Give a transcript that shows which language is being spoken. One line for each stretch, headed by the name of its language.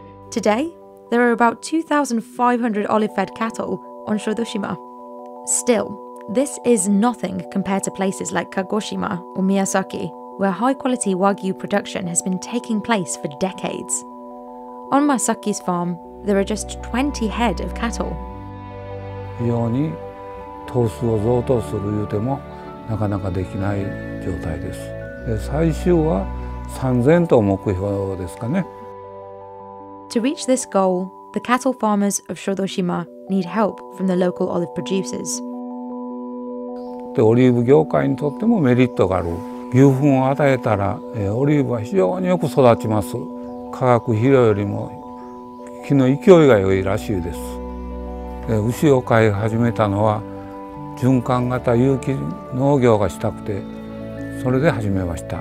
English: Today, there are about 2,500 olive-fed cattle on Shodoshima. Still, this is nothing compared to places like Kagoshima or Miyazaki, where high-quality Wagyu production has been taking place for decades. On Masaki's farm, there are just 20 head of cattle.
Japanese: 非常に頭数を増頭する言うてもなかなかできない状態です。最終は3000頭目標ですかね。
English: To reach this goal, the cattle farmers of Shodoshima need help from the local olive producers.
Japanese: オリーブ業界にとってもメリットがある。牛糞を与えたら、オリーブは非常によく育ちます。化学肥料よりも木の勢いが良いらしいです。牛を飼い始めたのは循環型有機農業がしたくて、それで始めました。